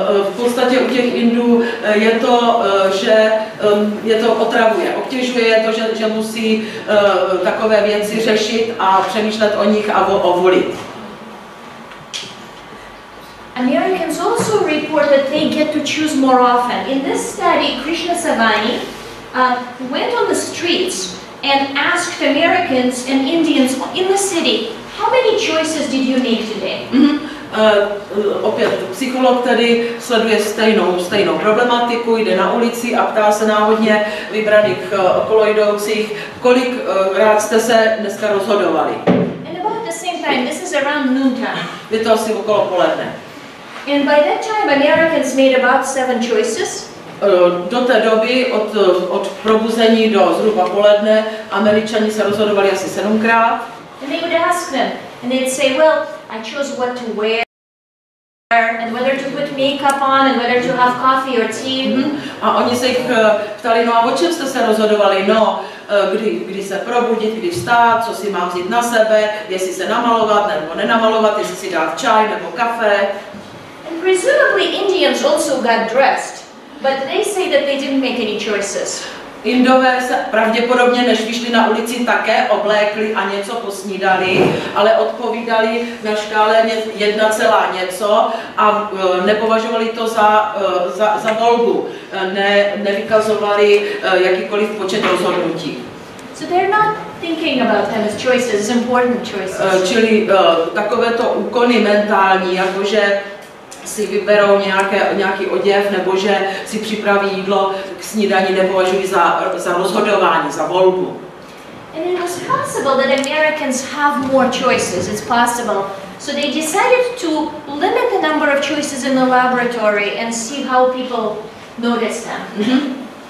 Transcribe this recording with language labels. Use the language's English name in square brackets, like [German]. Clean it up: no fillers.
[Czech] V podstatě u těch Indů je to, že je to otravuje, obtěžuje to, že musí takové věci řešit a přemýšlet o nich a o volit. [English] Americans also report that they get to choose more often. In this study, Krishna Savani went on the streets and asked Americans and Indians in the city, how many choices did you make today? Mm-hmm. [Czech] opět psycholog tedy sleduje stejnou problematiku, jde na ulici a ptá se náhodně vybraných okoloidoucích, kolik rád jste se dneska rozhodovali. [English] And about the same time, this is around noontime. [Czech] Je to asi okolo poledne. [English] And by that time, Americans made about 7 choices. [Czech] Do té doby, od probuzení do zhruba poledne, Američani se rozhodovali asi 7krát. [English] And they would ask them, and they'd say, well, I chose what to wear, and whether to put makeup on, and whether to have coffee or tea. Mm-hmm. [Czech] A oni se jich ptali, no a o čem jste se rozhodovali? No, kdy se probudit, kdy vstát, co si mám vzít na sebe, jestli se namalovat nebo nenamalovat, jestli si dát čaj nebo kafe. [English] And presumably Indians also got dressed. But they say that they didn't make any choices. [Czech] Indové se pravděpodobně, než vyšli na ulici, také oblékli a něco posnídali, ale odpovídali na škále 1 celá něco a nepovažovali to za volbu. Nevykazovali jakýkoliv počet rozhodnutí. [English] So they're not thinking about them as choices, as important choices. [Czech] Čili takovéto úkony mentální, jakože si vyberou nějaký oděv, nebo že si připraví jídlo k snídani, nepovažují za rozhodování, za volbu. [English] And it was possible that Americans have more choices, it's possible. So they decided to limit the number of choices in the laboratory and see how people notice them.